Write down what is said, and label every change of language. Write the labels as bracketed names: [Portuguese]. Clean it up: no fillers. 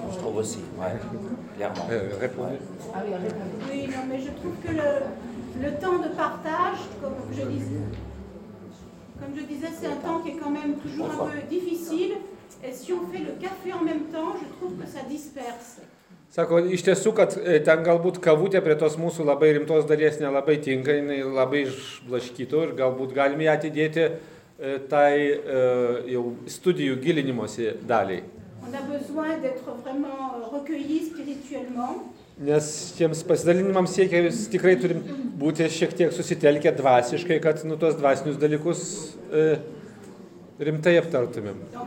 [French] Je trouve aussi, ouais. Clairement. Répondez. Ah oui, répondez. Oui, non, mais je trouve que le temps de partage, comme je disais, c'est un temps qui est quand même toujours un peu difficile. Et si on fait le café en même temps, je trouve que ça disperse. [Lithuanian] Sako, iš tiesų, kad ten galbūt kavutė prie tos mūsų labai rimtos dalies nelabai tinka, jinai labai išblaškytų ir galbūt galime ją atidėti tai jau studijų gilinimosi daliai. [French] On a besoin d'être vraiment recueilli spirituellement. [Lithuanian] Nes tiems pasidalinimams siekiais tikrai turim būti šiek tiek susitelkę dvasiškai, kad nu, tos dvasinius dalykus rimtai aptartumėm.